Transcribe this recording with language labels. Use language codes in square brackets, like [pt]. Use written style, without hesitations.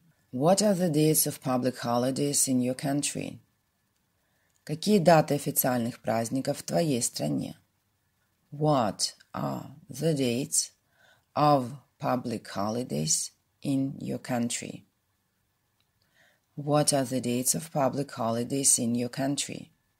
[en] What are the dates of public holidays in your country? [ru] Какие даты официальных праздников в твоей стране? [en] What are the dates of public holidays in your country? What are the dates of public holidays in your country?